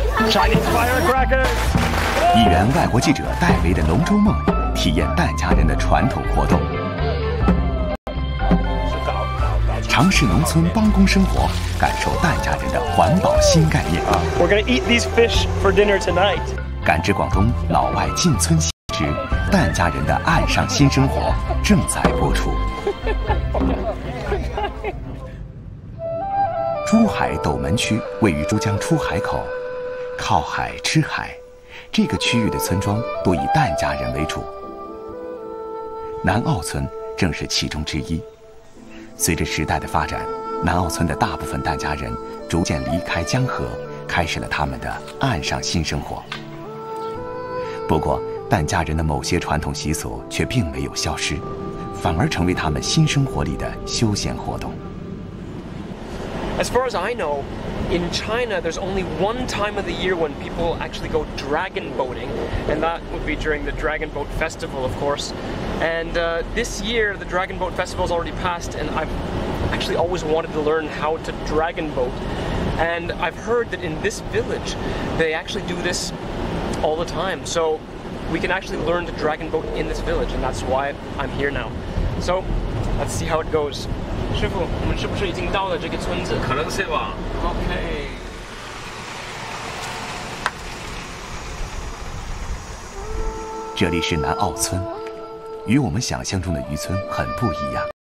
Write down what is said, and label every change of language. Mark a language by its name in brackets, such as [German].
[English] Chinese firecrackers。 [Chinese] 一员外国记者戴维的龙舟梦，体验戴家人的传统活动。尝试农村帮工生活，感受戴家人的环保新概念。 [English] We're gonna eat these fish for dinner tonight。 [Chinese] 感知广东老外进村之戴家人的岸上新生活正在播出。珠海斗门区位于珠江出海口，靠海吃海，这个区域的村庄多以戴家人为主。南澳村正是其中之一。随着时代的发展，南澳村的大部分戴家人逐渐离开江河，开始了他们的岸上新生活。不过，戴家人的某些传统习俗却并没有消失，反而成为他们新生活里的休闲活动。 [English] As far as I know, in China, there's only one time of the year when people actually go dragon boating, and that would be during the Dragon Boat Festival, of course. And this year, the Dragon Boat Festival has already passed, and I've actually always wanted to learn how to dragon boat. And I've heard that in this village, they actually do this all the time. So we can actually learn to dragon boat in this village, and that's why I'm here now. So let's see how it goes. [Chinese] 师傅，我们是不是已经到了这个村子？可能是吧。 OK。这里是南澳村，与我们想象中的渔村很不一样。